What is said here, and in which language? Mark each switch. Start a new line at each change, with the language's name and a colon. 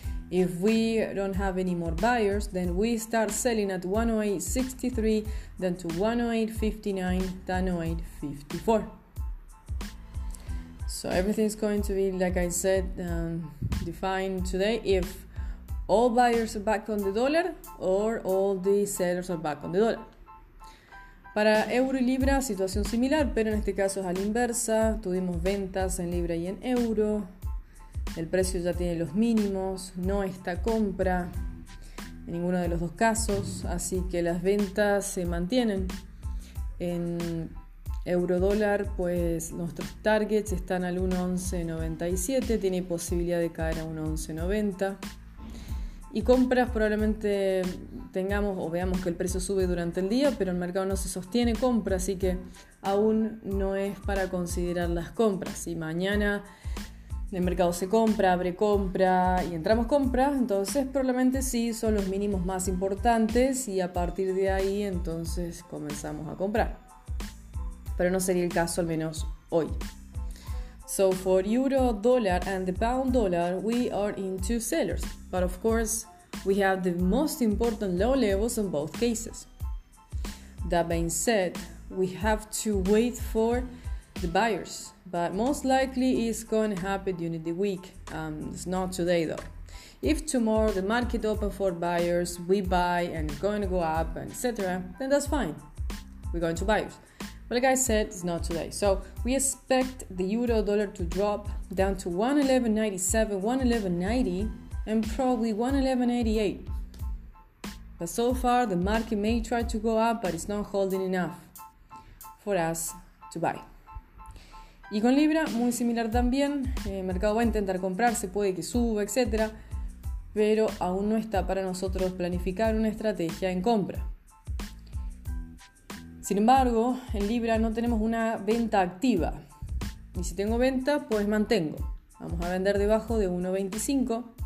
English: If we don't have any more buyers, then we start selling at 108.63, then to 108.59, then 108.54. So everything's going to be, like I said, defined today if all buyers are back on the dollar or all the sellers are back on the dollar.
Spanish: Para euro y libra, situación similar, pero en este caso es a la inversa. Tuvimos ventas en libra y en euro. El precio ya tiene los mínimos. No está compra en ninguno de los dos casos. Así que las ventas se mantienen. En euro-dólar, pues nuestros targets están al 1.1197. Tiene posibilidad de caer a 1.1190. Y compras probablemente tengamos o veamos que el precio sube durante el día, pero el mercado no se sostiene compra, así que aún no es para considerar las compras. Si mañana el mercado se compra, abre compra y entramos compra, entonces probablemente sí son los mínimos más importantes y a partir de ahí entonces comenzamos a comprar. Pero no sería el caso al menos hoy.
English: So for euro dollar and the pound dollar, we are in two sellers. But of course, we have the most important low levels in both cases. That being said, we have to wait for the buyers. But most likely it's going to happen during the week. It's not today though. If tomorrow the market opens for buyers, we buy and it's going to go up, etc., then that's fine. We're going to buyers. But like I said, it's not today. So we expect the euro dollar to drop down to 111.97, 111.90, and probably 111.88. But so far, the market may try to go up, but it's not holding enough for us to buy.
Spanish: Y con Libra, muy similar también. El mercado va a intentar comprarse, puede que suba, etc. Pero aún no está para nosotros planificar una estrategia en compra. Sin embargo, en Libra no tenemos una venta activa. Y si tengo venta, pues mantengo. Vamos a vender debajo de 1.25.